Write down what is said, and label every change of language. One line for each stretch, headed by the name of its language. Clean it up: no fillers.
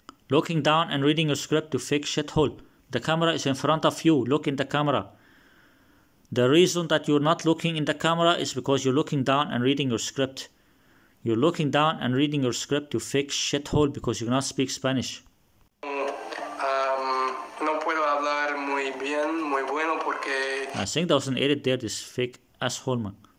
English: Looking down and reading your script, you fake shithole. The camera is in front of you. Look in the camera. The reason that you're not looking in the camera is because you're looking down and reading your script. You're looking down and reading your script, you fake shithole, because you cannot speak Spanish.
Spanish: No puedo hablar muy bien, muy bueno, porque...
English: I think there was an edit there, this fake asshole man.